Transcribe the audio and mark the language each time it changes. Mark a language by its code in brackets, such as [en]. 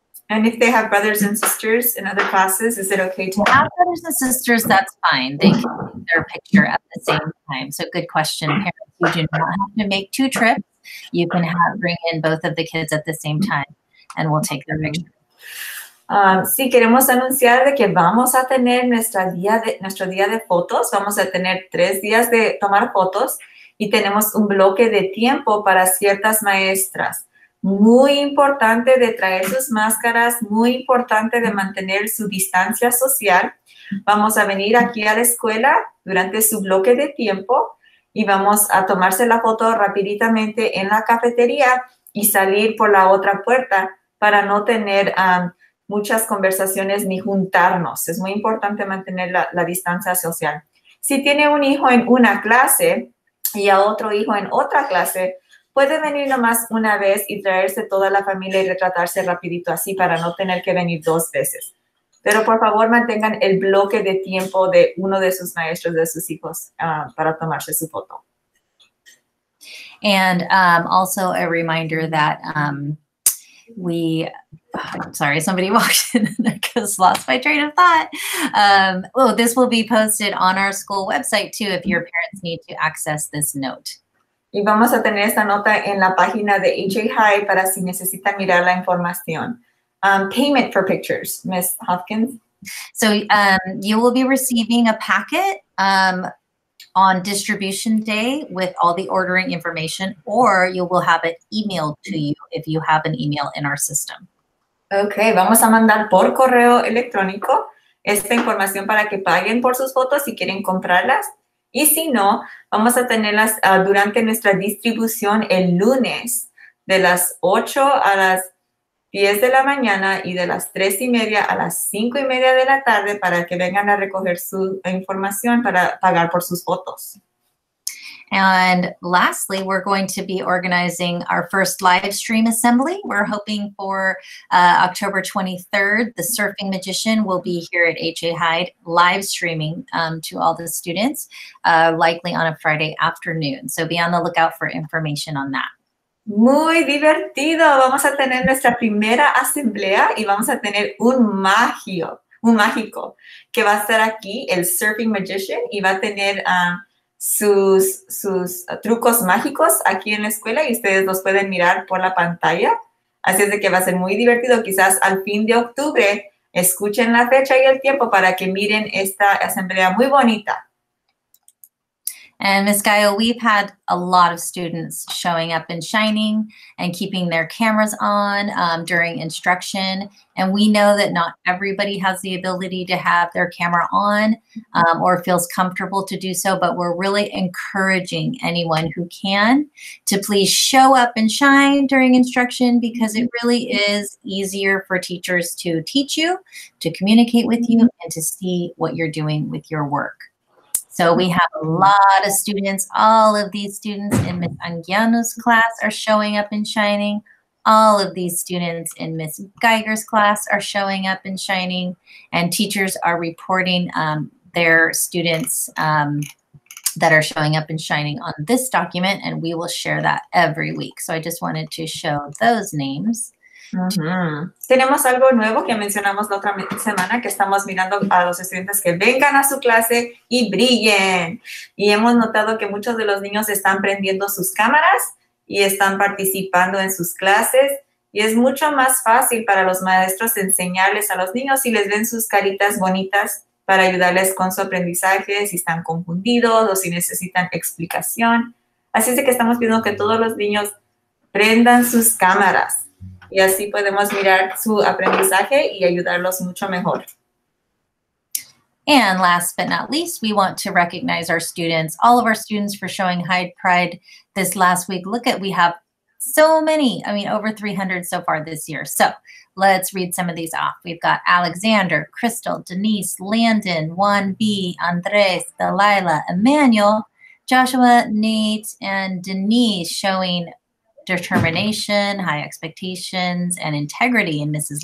[en] And if they have brothers and sisters in other classes, is it okay to have brothers and sisters? That's fine. They can take their picture at the same time. So good question. Parents, you do not have to make two trips. You can bring in both of the kids at the same time, and we'll take their picture. [es] Sí, queremos anunciar de que vamos a tener nuestro día de fotos. Vamos a tener 3 días de tomar fotos, y tenemos un bloque de tiempo para ciertas maestras. Muy importante de traer sus máscaras, muy importante de mantener su distancia social. Vamos a venir aquí a la escuela durante su bloque de tiempo, y vamos a tomarse la foto rapiditamente en la cafetería y salir por la otra puerta para no tener muchas conversaciones ni juntarnos. Es muy importante mantener la distancia social. Si tiene un hijo en una clase y a otro hijo en otra clase, puede venir nomás una vez y traerse toda la familia y retratarse rapidito así para no tener que venir dos veces. Pero por favor mantengan el bloque de tiempo de uno de sus maestros, de sus hijos, para tomarse su foto. [en] And also a reminder that somebody walked in and I just lost my train of thought. This will be posted on our school website too if your parents need to access this note. [es] Y vamos a tener esta nota en la página de HA High para si necesitan mirar la información. [en] Payment for pictures, Ms. Hopkins. So you will be receiving a packet on distribution day with all the ordering information, or you will have it emailed to you if you have an email in our system. [es] Okay, vamos a mandar por correo electrónico esta información para que paguen por sus fotos si quieren comprarlas. Y si no, vamos a tenerlas durante nuestra distribución el lunes de las 8 a las 10 de la mañana y de las 3 y media a las 5 y media de la tarde para que vengan a recoger su información para pagar por sus fotos. [en] And lastly, we're going to be organizing our first live stream assembly. We're hoping for October 23rd, the Surfing Magician will be here at HA Hyde live streaming to all the students, likely on a Friday afternoon. So be on the lookout for information on that. [es] Muy divertido. Vamos a tener nuestra primera asamblea y vamos a tener un mágico que va a estar aquí, el Surfing Magician, y va a tener sus trucos mágicos aquí en la escuela y ustedes los pueden mirar por la pantalla. Así es de que va a ser muy divertido. Quizás al fin de octubre escuchen la fecha y el tiempo para que miren esta asamblea muy bonita. [en] And Ms. Gayo, we've had a lot of students showing up and shining and keeping their cameras on during instruction. And we know that not everybody has the ability to have their camera on or feels comfortable to do so, but we're really encouraging anyone who can to please show up and shine during instruction because it really is easier for teachers to teach you, to communicate with you, and to see what you're doing with your work. So we have a lot of students, all of these students in Ms. Anguiano's class are showing up and shining. All of these students in Ms. Geiger's class are showing up and shining. And teachers are reporting their students that are showing up and shining on this document, and we will share that every week. So I just wanted to show those names. [es] Tenemos algo nuevo que mencionamos la otra semana, que estamos mirando a los estudiantes que vengan a su clase y brillen. Y hemos notado que muchos de los niños están prendiendo sus cámaras y están participando en sus clases. Y es mucho más fácil para los maestros enseñarles a los niños si les ven sus caritas bonitas para ayudarles con su aprendizaje, si están confundidos o si necesitan explicación. Así es que estamos pidiendo que todos los niños prendan sus cámaras. Y así podemos mirar su aprendizaje y ayudarlos mucho mejor. [en] And last but not least, we want to recognize our students, all of our students for showing Hyde Pride this last week. Look at, we have so many, I mean, over 300 so far this year. So let's read some of these off. We've got Alexander, Crystal, Denise, Landon, Juan B, Andres, Delilah, Emmanuel, Joshua, Nate, and Denise showing determination, high expectations, and integrity in Mrs.